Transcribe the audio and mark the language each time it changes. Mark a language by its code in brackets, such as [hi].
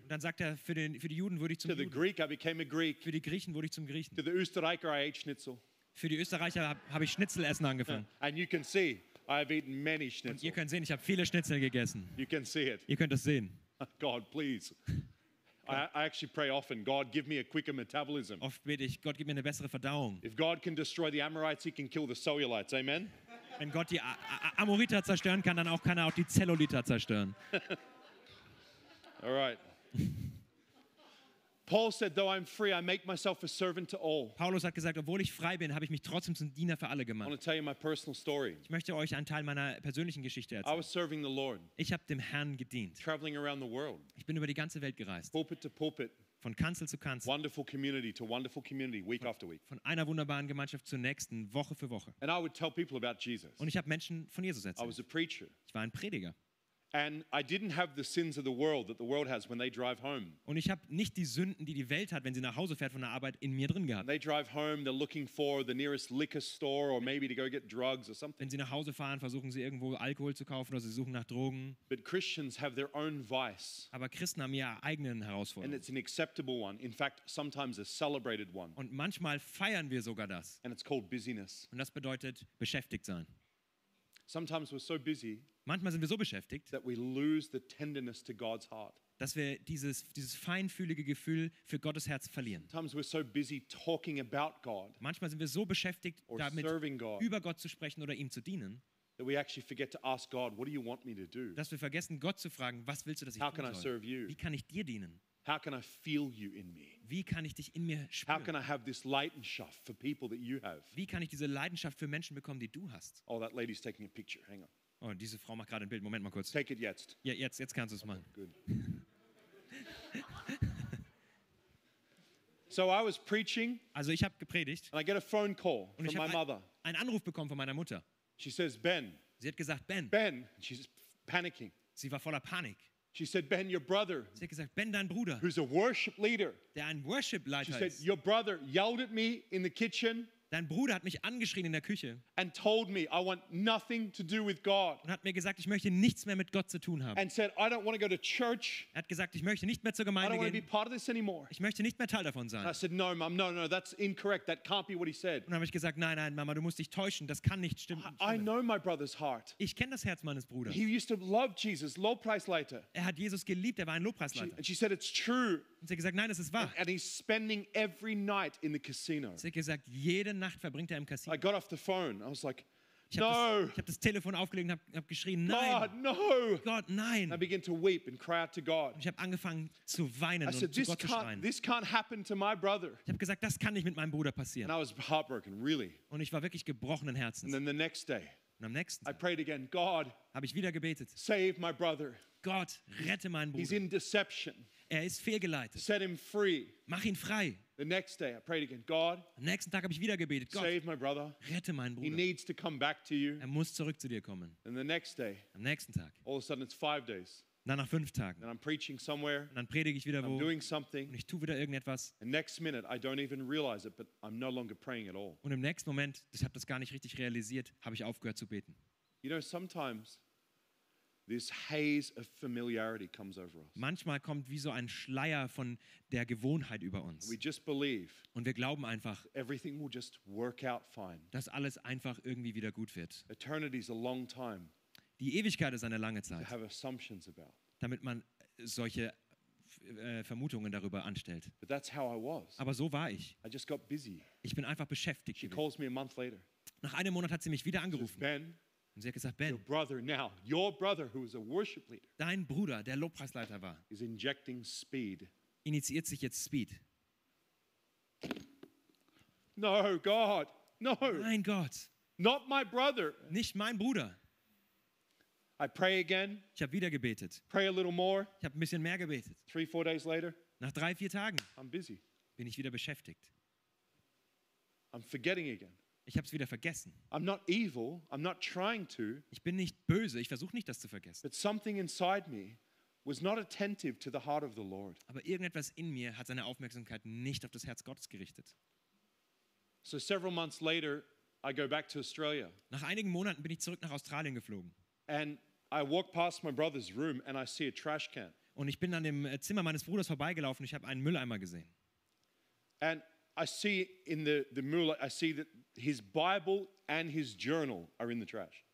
[de] Und dann sagt er, für die Juden wurde ich zum [en] to the [de] Juden. [en] Greek I became a Greek. [de] Für die Griechen wurde ich zum Griechen. [en] To the Österreicher I ate Schnitzel. [de] Für die Österreicher habe ich Schnitzel essen angefangen. [en] And you can see, I have eaten many Schnitzel. [de] Und ihr könnt sehen, ich habe viele Schnitzel gegessen. [en] You can see it. [de] Ihr könnt das sehen. [en] God, please. I actually pray often, God, give me a quicker metabolism. [de] Oft bete ich, Gott, gib mir eine bessere Verdauung. [en] If God can destroy the Amorites, he can kill the cellulites. Amen. [de] Wenn Gott die Amoriter zerstören kann, dann auch kann er auch die Zelluliter zerstören. [en] All right. Paul said, though I'm free, I make myself a servant to all. [de] Paulus hat gesagt, obwohl ich frei bin, habe ich mich trotzdem zum Diener für alle gemacht. [en] I want to tell you my personal story. [de] Ich möchte euch einen Teil meiner persönlichen Geschichte erzählen. [en] I was serving the Lord. [de] Ich habe dem Herrn gedient. [en] Traveling around the world. [de] Ich bin über die ganze Welt gereist. [en] Pulpit to pulpit. [de] Von Kanzel zu Kanzel. [en] Wonderful community to wonderful community, week after week. [de] Von einer wunderbaren Gemeinschaft zur nächsten, Woche für Woche. [en] And I would tell people about Jesus. [de] Und ich habe Menschen von Jesus erzählt. [en] I was a preacher. [de] Ich war ein Prediger. [en] And I didn't have the sins of the world that the world has when they drive home. [de] Und ich habe nicht die Sünden, die die Welt hat, wenn sie nach Hause fährt von der Arbeit, in mir drin gehabt. [en] They drive home, they're looking for the nearest liquor store or maybe to go get drugs or something. [de] Wenn sie nach Hause fahren, versuchen sie irgendwo Alkohol zu kaufen oder sie suchen nach Drogen. [en] But Christians have their own vice. [de] Aber Christen haben ihre eigenen Herausforderungen. [en] And it's an acceptable one, in fact sometimes a celebrated one. [de] Und manchmal feiern wir sogar das. [en] And it's called busyness. [de] Und das bedeutet beschäftigt sein. [en] Sometimes we're so busy. [de] Manchmal sind wir so beschäftigt, [en] that we lose the tenderness to God's heart. [de] Dass wir dieses feinfühlige Gefühl für Gottes Herz verlieren. [en] Sometimes we're so busy talking about God. [de] Manchmal sind wir so beschäftigt damit, über Gott zu sprechen oder ihm zu dienen, [en] that we actually forget to ask God, what do you want me to do? [de] Dass wir vergessen, Gott zu fragen, was willst du, dass ich [en] How [de] tun soll? [en] Can I serve you? [de] Wie kann ich dir dienen? [en] How can I feel you in me? [de] Wie kann ich dich in mir spüren? [en] How can I have this Leidenschaft for people that you have? [de] Wie kann ich diese Leidenschaft für Menschen bekommen, die du hast? [en] Oh, that lady's taking a picture. Hang on. [de] Oh, diese Frau macht gerade ein Bild. Moment mal kurz. [en] Take it [de] jetzt. Ja, jetzt kannst du es machen. [en] Good. So I was preaching. [de] Also ich habe gepredigt. [en] And I get a phone call [de] und [en] from my mother. [de] Ich habe einen Anruf bekommen von meiner Mutter. [en] She says, Ben. [de] Sie hat gesagt, Ben. [en] Ben. She's panicking. [de] Sie war voller Panik. [en] She said, Ben, your brother. [de] Sie hat gesagt, Ben, dein Bruder. [en] Who's a worship leader. [de] Der ein Worship-Leiter ist. [en] She said, your brother yelled at me in the kitchen. [de] Dein Bruder hat mich angeschrien in der Küche. [en] And told me I want nothing to do with God. [de] Und hat mir gesagt, ich möchte nichts mehr mit Gott zu tun haben. [en] And said I don't want to go to church. [de] Er hat gesagt, ich möchte nicht mehr zur Gemeinde gehen. [en] I don't want to be part of this anymore. [de] Ich möchte nicht mehr Teil davon sein. [en] And I said no, Mom, no, that's incorrect. That can't be what he said. [de] Und habe ich gesagt, nein, Mama, du musst dich täuschen. Das kann nicht stimmen. [en] I know my brother's heart. [de] Ich kenne das Herz meines Bruders. [en] He used to love Jesus, Lobpreisleiter. [de] Er hat Jesus geliebt. Er war ein Lobpreisleiter. [en] And she said it's true. [de] Und sie hat gesagt, nein, das ist wahr. [en] And he's spending every night in the casino. [de] Sie hat gesagt, jede Nacht verbringt er im Casino. [en] I got off the phone. I was like, [de] ich habe das Telefon aufgelegt und hab geschrien, nein. [en] God, no. [de] Gott, nein. [en] I began to weep and cry out to God. [de] Ich habe angefangen zu weinen und zu Gott zu schreien. [en] This can't happen to my brother. [de] Ich habe gesagt, das kann nicht mit meinem Bruder passieren. [en] And I was heartbroken, really. [de] Und ich war wirklich gebrochenen Herzens. [en] And then the next day, [de] und am nächsten Tag, [en] I prayed again, God, [de] habe ich wieder gebetet. [en] Save my brother. [de] Gott, rette meinen Bruder. [en] He's in deception. [de] Er ist fehlgeleitet. [en] Set him free. [de] Mach ihn frei. [en] The next day I prayed again. God, [de] am nächsten Tag habe ich wieder gebetet. Gott, [en] save my brother. [de] Rette meinen Bruder. [en] He needs to come back to you. [de] Er muss zurück zu dir kommen. [en] And the next day, [de] am nächsten Tag. [en] All of a sudden it's 5 days. [de] Dann nach 5 Tagen. [en] And I'm preaching somewhere. [de] Und dann predige ich wieder wo. [en] I'm doing something. [de] Und ich tue wieder irgendetwas. [en] And next minute I don't even realize it, but I'm no longer praying at all. [de] Und im nächsten Moment, ich habe das gar nicht richtig realisiert, habe ich aufgehört zu beten. [en] You know, sometimes this haze of familiarity comes over us. [de] Manchmal kommt wie so ein Schleier von der Gewohnheit über uns. [en] We just believe. [de] Und wir glauben einfach. [en] Everything will just work out fine. [de] Dass alles einfach irgendwie wieder gut wird. [en] Eternity is a long time. [de] Die Ewigkeit ist eine lange Zeit. [en] To have assumptions about. [de] Damit man solche Vermutungen darüber anstellt. [en] But that's how I was. [de] Aber so war ich. [en] I just got busy. [de] Ich bin einfach beschäftigt. [en] She calls me a month later. [de] Nach einem Monat hat sie mich wieder angerufen. [en] Ben. [de] Und sie hat gesagt, Ben, [en] your brother now, your brother who is a worship leader, [de] dein Bruder, der Lobpreisleiter war, [en] is injecting speed. [de] Initiiert sich jetzt Speed. [en] No, God, no. [de] Nein, Gott. [en] Not my brother. [de] Nicht mein Bruder. [en] I pray again. [de] Ich habe wieder gebetet. [en] Pray a little more. [de] Ich habe ein bisschen mehr gebetet. [en] 3-4 days later. [de] Nach 3-4 Tagen. [en] I'm busy. [de] Bin ich wieder beschäftigt. [en] I'm forgetting again. [de] Ich habe es wieder vergessen. [en] I'm not evil, I'm not trying to. [de] Ich bin nicht böse, ich versuche nicht das zu vergessen. [en] But something inside me was not attentive to the heart of the Lord. [de] Aber irgendetwas in mir hat seine Aufmerksamkeit nicht auf das Herz Gottes gerichtet. [en] So several months later I go back to Australia. [de] Nach einigen Monaten bin ich zurück nach Australien geflogen. [en] And I walk past my brother's room and I see a trash can. [de] Und ich bin an dem Zimmer meines Bruders vorbeigelaufen, ich habe einen Mülleimer gesehen. [en] And I see in the Mülleimer, I see that his Bible and his journal are in the trash.